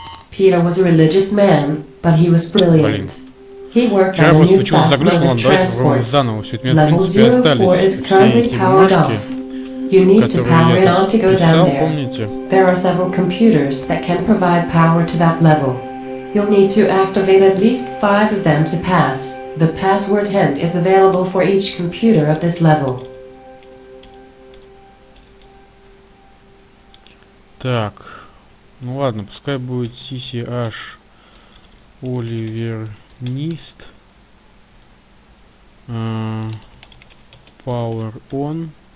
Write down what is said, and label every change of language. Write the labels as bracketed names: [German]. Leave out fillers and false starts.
[English] Peter was a religious man, but he was brilliant. He worked on a new fast mode of transport. [Russian] Заново все это, в принципе, остались. [English] There are several computers that can provide power to that level. You'll need to activate at least five of them to pass. The password hint is available for each computer of this level. [Russian] Так, ну ладно, пускай будет CCH Оливер Нист. [English] Power on.